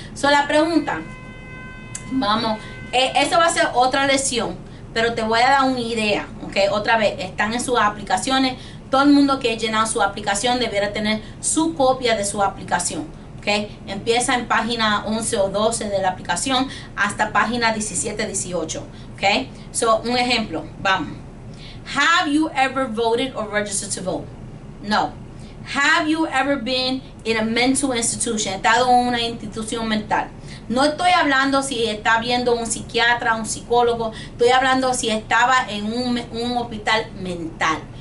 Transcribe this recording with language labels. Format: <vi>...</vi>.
<es>So la pregunta, vamos, eso va a ser otra lección, pero te voy a dar una idea, ¿ok? Otra vez, están en sus aplicaciones, todo el mundo que ha llenado su aplicación debiera tener su copia de su aplicación. Okay. Empieza en página 11 o 12 de la aplicación hasta página 17, 18. Okay. So, un ejemplo. Vamos.</es> <en>Have you ever voted or registered to vote? No. Have you ever been in a mental institution?</en> <es>¿Estado en una institución mental? No estoy hablando si está viendo un psiquiatra, un psicólogo. Estoy hablando si estaba en un hospital mental.</es>